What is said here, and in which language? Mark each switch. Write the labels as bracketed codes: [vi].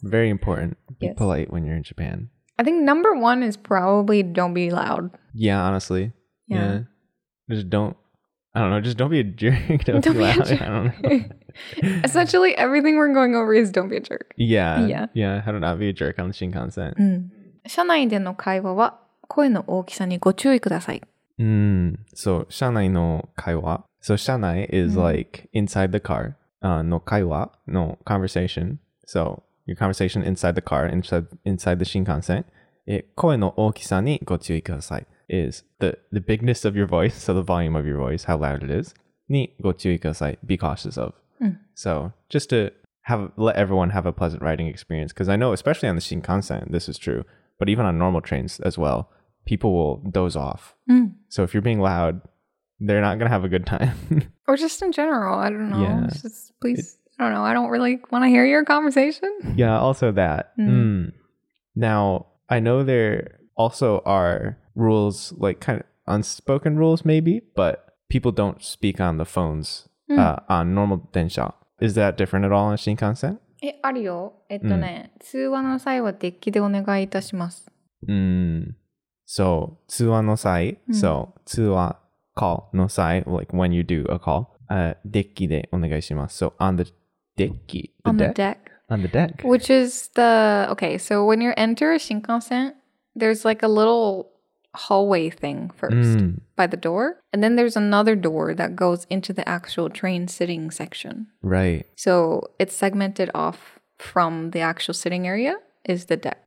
[en] Very important. Be polite when you're in Japan. I think number one is probably don't be loud. Yeah, honestly. Yeah. Just don't be a jerk. Don't be loud. A jerk. I don't know. Essentially, everything we're going over is don't be a jerk. Yeah. Yeah. Yeah. How to not be a jerk on the Shinkansen. [ja] 社内での会話は声の大きさにご注意ください。 [en] Mm. So, [ja] 社内の会話. [en] So, 社内 is like inside the car. No 会話, no conversation. So, your conversation inside the car, inside the Shinkansen. [ja] 声の大きさにご注意ください. [en] Is the bigness of your voice, so the volume of your voice, how loud it is. [ja] にご注意ください. [en] Be cautious of. So, just to let everyone have a pleasant riding experience. Because I know, especially on the Shinkansen, this is true. But even on normal trains as well, people will doze off. So, if you're being loud, they're not going to have a good time. Or just in general. I don't know. Yeah. Just please. I don't know. I don't really want to hear your conversation. Yeah, also that. Now, I know there also are rules, like kind of unspoken rules maybe, but people don't speak on the phones on normal 電車. Is that different at all in Shinkansen? [ja] あるよ. 通話の際はデッキでお願いいたします. [en] So, [ja] 通話の際. [en] So, 通話, call, no 際, like when you do a call. [ja] デッキでお願いします. [en] So, on the デッキ. On the deck. On the deck. Which is the... Okay, so when you enter a Shinkansen, there's like a little hallway thing first by the door. And then there's another door that goes into the actual train sitting section. Right. So, it's segmented off from the actual sitting area is the deck.